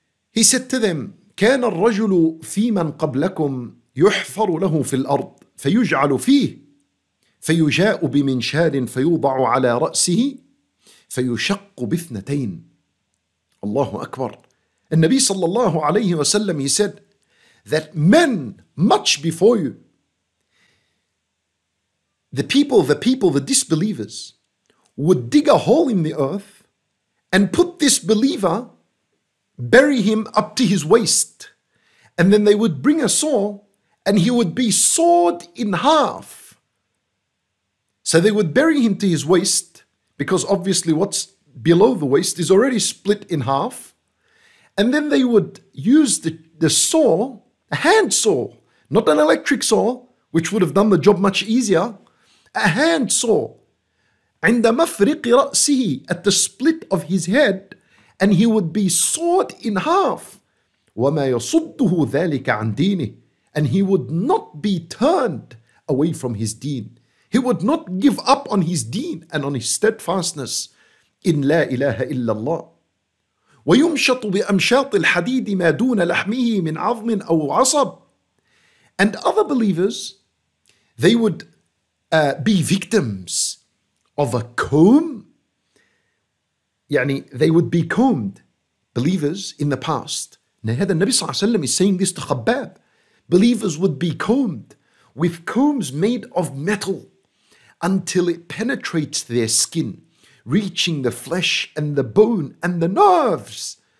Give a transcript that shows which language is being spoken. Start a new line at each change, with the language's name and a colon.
English: He said to them,
Arabic: كان الرجل في من قبلكم يحفر له في الأرض فيجعل فيه فيجاء بمنشار فيوضع على رأسه فيشق باثنتين. الله أكبر.
English: النبي sallallahu alayhi wa sallam, he said that men much before you, the people, the disbelievers, would dig a hole in the earth and put this believer, bury him up to his waist. And then they would bring a saw and he would be sawed in half. So they would bury him to his waist, because obviously what's below the waist is already split in half. And then they would use the saw, a hand saw, not an electric saw, which would have done the job much easier, a hand saw.
Arabic: عند مفرق رأسه,
English: at the split of his head, and he would be sawed in half.
Arabic: وما يصده ذلك عن دينه,
English: and he would not be turned away from his deen. He would not give up on his deen and on his steadfastness in La ilaha illallah.
Arabic: ويمشط بأمشاط الحديد ما دون لحمه من عظم أو عصب.
English: And other believers, they would be victims of a comb. يعني they would be combed. Believers in the past. Now,
Arabic: هذا النبي صلى الله عليه وسلم
English: is saying this to Khabbab. Believers would be combed with combs made of metal until it penetrates their skin, reaching the flesh and the bone and the nerves.